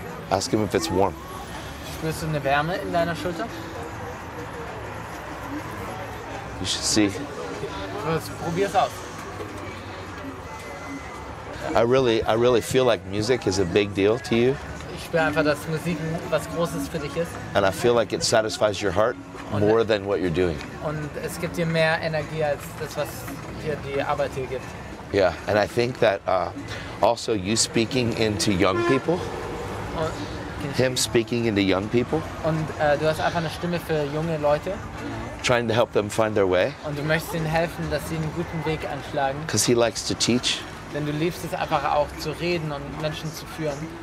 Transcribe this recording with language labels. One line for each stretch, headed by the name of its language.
English: Ask him if it's warm.
German: Spürst du eine Wärme in deiner Schulter?
English: You should see.
German: Probier's aus.
English: I really feel like music is a big deal to you.
German: Ich spüre einfach, dass Musik was Großes für dich ist.
English: And I feel like it satisfies your heart. More than what you're doing.
German: Und es gibt dir mehr Energie als das, was hier die Arbeit hier gibt.
English: Yeah, and I think that also you speaking into young people, him speaking into young people.
German: Und du hast einfach eine Stimme für junge Leute.
English: Trying to help them find their way.
German: Und du möchtest ihnen helfen, dass sie einen guten Weg anschlagen.
English: Because he likes to teach.
German: Denn du liebst es einfach auch zu reden und Menschen zu führen.